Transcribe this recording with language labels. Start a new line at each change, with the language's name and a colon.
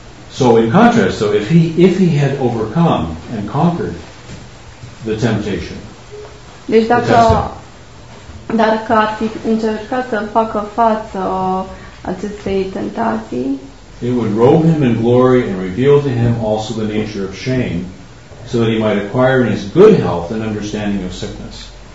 English: So in contrast, so if he had overcome and conquered the temptation.
Romanian: Deci dacă ar fi încercat să facă față acestei tentații.
English: It would robe him in glory and reveal to him also the nature of shame, so that he might acquire in his good health an understanding of sickness.